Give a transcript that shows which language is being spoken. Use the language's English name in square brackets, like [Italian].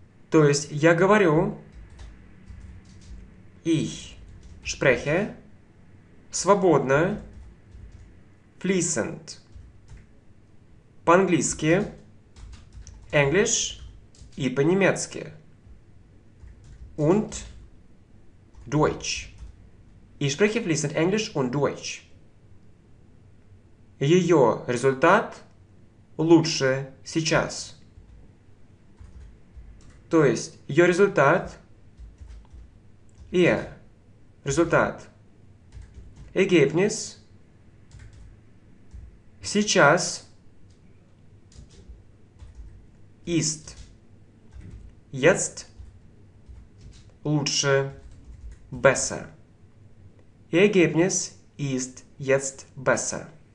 [Russian] То есть я говорю [German] ich spreche [Russian] свободно [German] fließend [Russian] по-английски English и по-немецки. [German] Und Deutsch. Ich spreche fließend English und Deutsch. [Russian] Ее результат лучше сейчас. То есть, ее результат [German] ihr [Russian] результат [German] Ergebnis [Russian] сейчас [German] ist jetzt [Russian] лучше [German] besser. Ergebnis ist jetzt besser.